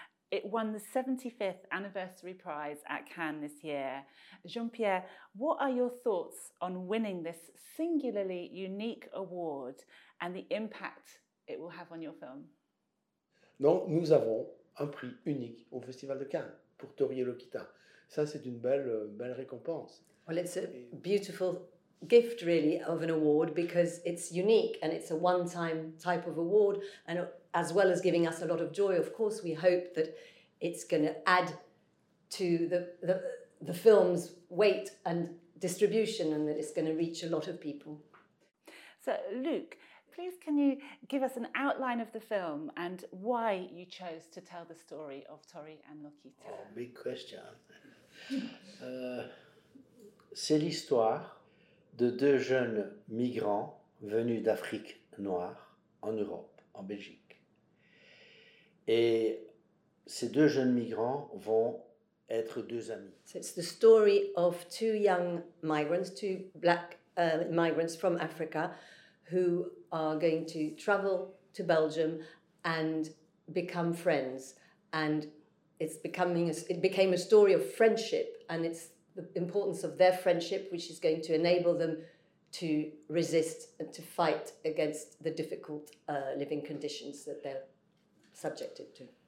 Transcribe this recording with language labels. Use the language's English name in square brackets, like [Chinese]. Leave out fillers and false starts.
[English] It won the 75th anniversary prize at Cannes this year. Jean-Pierre, what are your thoughts on winning this singularly unique award and the impact it will have on your film? [French] Donc, nous avons un prix unique au Festival de Cannes pour Tori et Lokita. Ça, c'est une belle récompense. [English] Well, it's a beautiful gift, really, of an award because it's unique and it's a one-time type of award. And as well as giving us a lot of joy, of course, we hope that it's going to add to the film's weight and distribution and that it's going to reach a lot of people. So, Luc, please, can you give us an outline of the film and why you chose to tell the story of Tori and Lokita? Oh, big question. [French] C'est l'histoire de deux jeunes migrants venus d'Afrique noire en Europe, en Belgique. Et ces deux jeunes migrants vont être deux amis. [English] So it's the story of two young migrants, two black migrants from Africa, who are going to travel to Belgium and become friends. And it became a story of friendship, and it's the importance of their friendship which is going to enable them to resist and to fight against the difficult living conditions that they're subjected to.